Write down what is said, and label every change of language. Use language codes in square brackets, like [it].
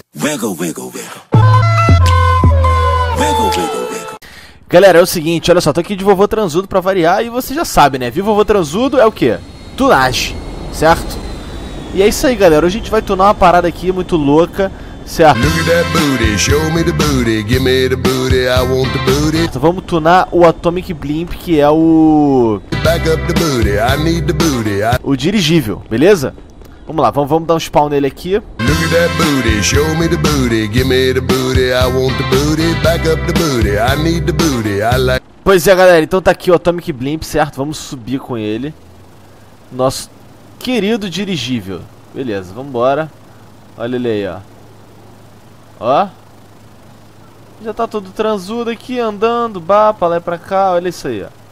[en] Wiggle, wiggle, wiggle. Wiggle, wiggle, wiggle. [pt] Galera, é o seguinte, olha só, tô aqui de vovô transudo pra variar e você já sabe, né? Viu vovô transudo é o quê? Tunagem, certo? E é isso aí, galera. Hoje a gente vai tunar uma parada aqui muito louca, certo? [en] Look at that booty, show me the booty, give me the booty, I want the booty. [pt] Então vamos tunar o Atomic Blimp, que é o... [en] Back up the booty, I need the booty, [pt] o dirigível, beleza? Vamos lá, vamos dar um spawn nele aqui. [en] Look at that booty, show me the booty, give me the booty, I want the booty, back up the booty, I need the booty, I like... [pt] Pois é, galera, então tá aqui o Atomic Blimp, certo? Vamos subir com ele. Nosso querido dirigível. Beleza, vambora. Olha ele aí, ó. Ó. Já tá todo transudo aqui, andando, bá, pra lá e pra cá. Olha isso aí, ó.